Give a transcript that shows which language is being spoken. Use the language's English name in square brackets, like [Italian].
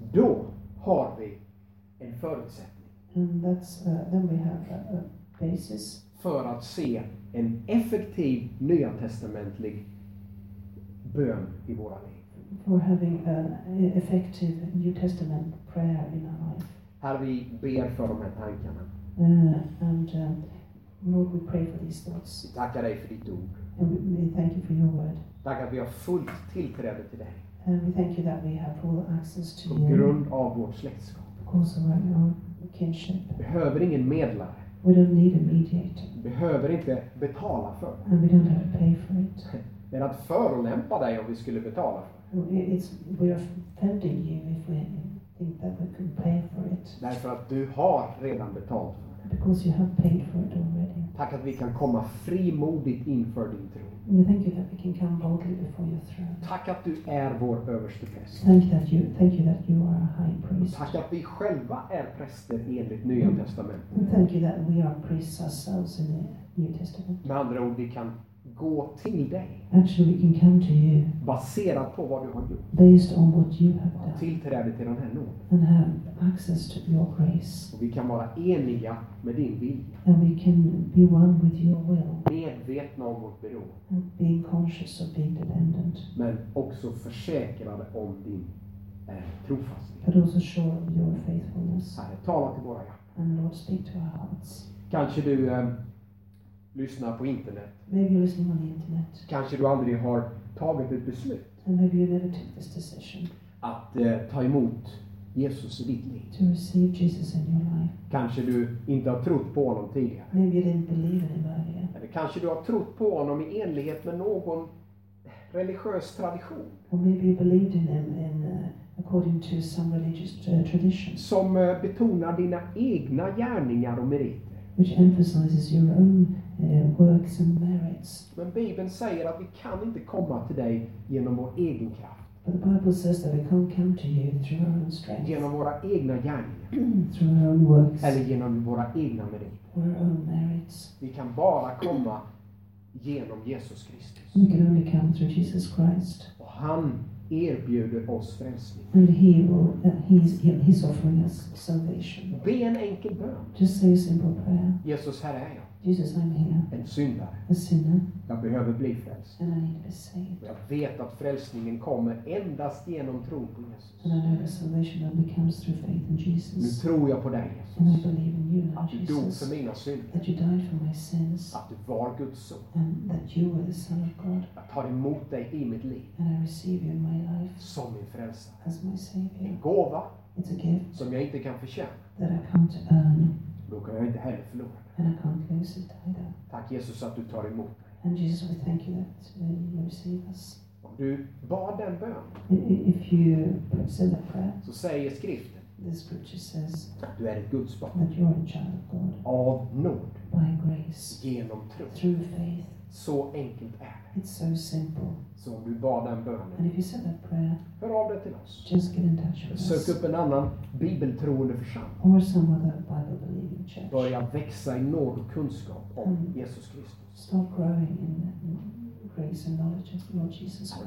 [Swedish] Då har vi en förutsättning. [English] And that's then we have a basis. [Swedish] För att se en effektiv nyatestamentlig bön i våra liv. [English] For having an effective New Testament prayer in our life. [Swedish] Här vi ber för de här tankarna. [English] And Lord, we pray for these thoughts. [Swedish] Vi tackar dig för ditt ord. [English] And we thank you for your word. [Swedish] Tack att vi har fullt tillträde till dig. [English] And we thank you that we have full access to you. [Swedish] På grund av vårt släktskap. [English] Because of our kinship. [Swedish] Behöver ingen medlare. [English] We don't need a mediator. [Swedish] Behöver inte betala för. [English] And we don't have to pay for it. [Swedish] Men att förolämpa dig om vi skulle betala. [English] We are offending you if we think that we can pay for it. [Swedish] Därför att du har redan betalt för det. [English] Because you have paid for it already. [Swedish] Tack att vi kan komma frimodigt inför din tron. [English] We thank you that we can come boldly before your throne. [Swedish] Tack att du är vår överste präst. [English] Thank you that you are a high priest. [Swedish] Tack att vi själva är präster enligt Nya testamentet. [English] Thank you that we are priests ourselves in the New Testament. [Swedish] Med andra ord, vi kan gå till dig. [English] Actually, we can come to you. [Swedish] Baserat på vad du har gjort. [English] Based on what you have done. [Swedish] Tillträde till den här nåden. [English] And have access to your grace. [Swedish] Och vi kan vara eniga med din vilja. [English] And we can be one with your will. [Swedish] Medvetna om vårt beroende. [English] And being conscious of being dependent. [Swedish] Men också försäkrade om din trofasthet. [English] But also sure of your faithfulness. [Swedish] Herre, tala till våra hjärtan. [English] And Lord, speak to our hearts. [Swedish] Kanske du lyssna på internet. [English] Maybe you're listening on the internet. [Swedish] Kanske du aldrig har tagit ett beslut. [English] And maybe you never took this decision. [Swedish] Att ta emot Jesus i ditt liv. [English] To receive Jesus in your life. [Swedish] Kanske du inte har trott på honom tidigare. [English] Maybe you didn't believe in him earlier. [Swedish] Eller kanske du har trott på honom i enlighet med någon religiös tradition. [English] Or maybe you believed in him in according to some religious tradition. [Swedish] Som betonar dina egna gärningar och meriter. [English] Which emphasizes your own works and merits. [Swedish] Men Bibeln säger att vi kan inte komma till dig genom vår egen kraft. [English] But the Bible says that we can't come to you through our own strength. [Swedish] Genom våra egna gärningar. [English] Through our own works. [Swedish] Eller genom våra egna meriter. [English] Our own merits. [Swedish] Vi kan bara komma genom Jesus Kristus. [English] We can only come through Jesus Christ. [Swedish] Och han erbjuder oss frälsning. [English] And he will, he's offering us salvation. [Swedish] Be en enkel bön. [English] Just say a simple prayer. [Swedish] Jesus, här är jag. [English] Jesus, I'm here. [Swedish] En syndare. [English] A sinner. [Swedish] Jag behöver bli frälst. [English] And I need to be saved. [Swedish] Jag vet att frälsningen kommer endast genom tro på Jesus. [English] And I know that salvation only comes through faith in Jesus. [Swedish] Nu tror jag på dig, Jesus. [English] And I believe in you, Lord Jesus. [Swedish] Att du dog för mina synder. [English] That you died for my sins. [Swedish] Att du var Guds son. [English] And that you were the son of God. [Swedish] Jag tar emot dig i mitt liv. [English] And I receive you in my life. [Swedish] Som min frälsare. [English] As my savior. [Swedish] En gåva. [English] It's a gift. [Swedish] Som jag inte kan förtjäna. [English] That I can't earn. [Swedish] Då kan jag inte heller förlora. [English] And I can't lose it either. [Swedish] Tack Jesus att du tar emot. [English] And Jesus, we thank you that you receive us. [Swedish] Om du bad den bön. [English] If you said that prayer. [Swedish] Så säger skriften. [English] The scripture says. [Swedish] Du är ett Guds barn. [English] That you are a child of God. [Swedish] Av nåd. [English] By grace. [Swedish] Genom tro. [English] Through faith. [Swedish] Så enkelt är det. [English] It's so simple. [Swedish] Så om du bad den bönen. [English] And if you said that prayer. [Swedish] Hör av dig till oss. [English] Just get in touch with us. [Swedish] Sök upp en annan bibeltroende församling. [English] Or some other Bible believing church. [Swedish] Börja växa i nåd och kunskap om Jesus Kristus. [English] Stop growing in grace and knowledge of Lord Jesus Christ.